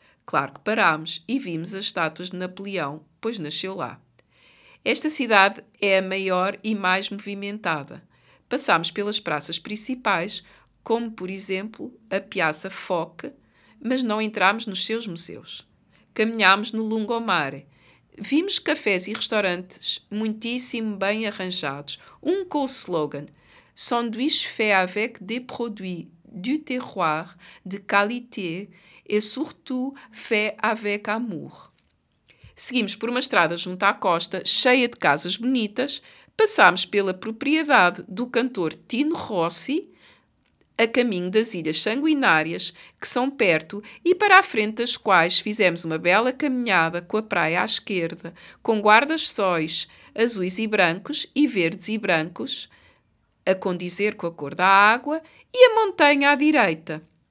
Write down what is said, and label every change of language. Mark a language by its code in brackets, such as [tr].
[pt] Claro que parámos e vimos as estátuas de Napoleão, pois nasceu lá. Esta cidade é a maior e mais movimentada. Passámos pelas praças principais, como, por exemplo, a Piazza Foch, mas não entrámos nos seus museus. Caminhámos no Lungomare. Vimos cafés e restaurantes muitíssimo bem arranjados, um com o slogan [fr] «Sandwiches faits avec des produits du terroir, de qualité et surtout faits avec amour». [pt] Seguimos por uma estrada junto à costa, cheia de casas bonitas, passámos pela propriedade do cantor Tino Rossi, a caminho das Ilhas Sanguinárias, que são perto e para a frente das quais fizemos uma bela caminhada com a praia à esquerda, com guarda-sóis azuis e brancos e verdes e brancos, a condizer com a cor da água, e a montanha à direita.